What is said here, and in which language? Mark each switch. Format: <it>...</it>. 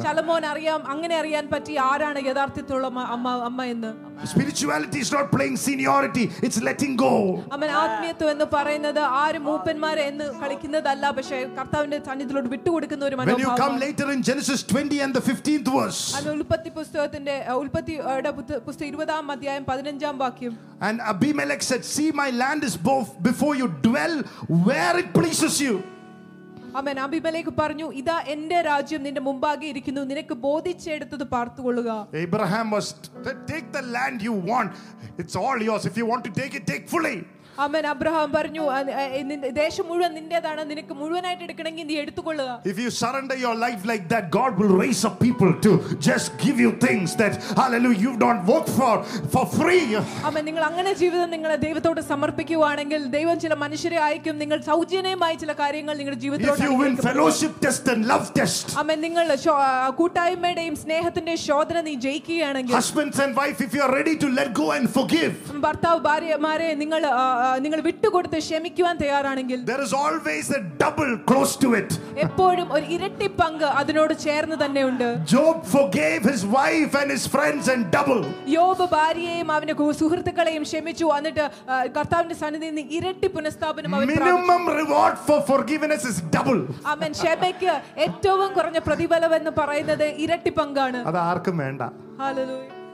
<ml>ശലോമോൻ അറിയാം, അങ്ങനെ അറിയാൻ പറ്റി ആരാണ് യഥാർത്ഥ അമ്മ അമ്മ എന്ന്.</ml> <en>Spirituality is not playing seniority, it's letting go.</en> <ml>അമ്മ ആത്മീയത്വം എന്ന് പറയുന്നത് ആര് മൂപ്പന്മാരെ എന്ന് കളിക്കുന്നതല്ല, പക്ഷേ കർത്താവിന്റെ സന്നിധിയിലോട്ട് വിട്ടുകൊടുക്കുന്ന ഒരു മനോഭാവം.</ml> <en>When you come later in Genesis 20 and the 15th verse.</en> <ml>അല്ല, ഉൽപ്പത്തി പുസ്തകത്തിന്റെ ഉൽപ്പത്തിയുടെ പുസ്തകം 20th അധ്യായം 15th വാക്യം.</ml> <en>And Abimelech said, see my land is before you, dwell where it pleases you.</en> <ml>അമ്മേൻ. Abimelech പറഞ്ഞു, ഇതാ എന്റെ രാജ്യം നിന്റെ മുമ്പാകെ ഇരിക്കുന്നു, നിനക്ക് ബോധിച്ചെടുത്തത് പാർത്തുകൊള്ളുക.</ml> <en>Abraham was take the land you want, it's all yours, if you want to take it, take fully.</en> <ml>അമ്മേൻ. Abraham പറഞ്ഞു, ദേശം മുഴുവൻ നിന്റേതാണ്, നിനക്ക് മുഴുവനായിട്ട് എടുക്കണമെങ്കിൽ നീ എടുത്തുകൊള്ളുക.</ml> <en>If you surrender your life like that, God will raise up people to just give you things that hallelujah you don't work for free.</en> <ml>അമ്മേൻ. നിങ്ങൾ അങ്ങനെ ജീവിതം നിങ്ങളെ ദൈവത്തോട് സമർപ്പിക്കുകയാണെങ്കിൽ ദൈവം ചില മനുഷ്യരെ അയക്കും, നിങ്ങൾ സൗജന്യമായി ചില കാര്യങ്ങൾ നിങ്ങളുടെ ജീവിതത്തിലേക്ക്.</ml> <en>If you win fellowship test and love test.</en> <ml>അമ്മേൻ. നിങ്ങൾ കൂട്ടായ്മയുടെയും സ്നേഹത്തിന്റെയും ശോധന നീ ജയിക്കുകയാണെങ്കിൽ.</ml> <en>Husbands and wife, if you are ready to let go and forgive.</en> <ml>ഭർത്താവ് ഭാര്യമാരെ നിങ്ങൾ നിങ്ങൾ വിട്ടുകൊടുത്ത് ക്ഷമിക്കുവാൻ തയ്യാറാണെങ്കിൽ.</ml> <en>There is always a double close to it.</en> <ml>എപ്പോഴും ഒരു ഇരട്ടി പങ്ക് അതിനോട് ചേർന്ന് തന്നെയുണ്ട്.</ml> <en>Job forgave his wife and his friends and double.</en> <ml>യോബ് ഭാര്യയെയും അവന്റെ സുഹൃത്തുക്കളെയും ക്ഷമിച്ചു, എന്നിട്ട് കർത്താവിന്റെ സന്നിധിയിൽ നിന്ന് ഇരട്ടി പുനഃസ്ഥാപനം അവൻ പ്രാപിച്ചു.</ml> <en>Minimum reward for forgiveness is double.</en> <ml>ആമേൻ. ക്ഷമയ്ക്ക് ഏറ്റവും കുറഞ്ഞ പ്രതിഫലം എന്ന് പറയുന്നത് ഇരട്ടി പങ്കാണ്. അത് ആർക്കും വേണ്ട. ഹല്ലേലൂയ.</ml>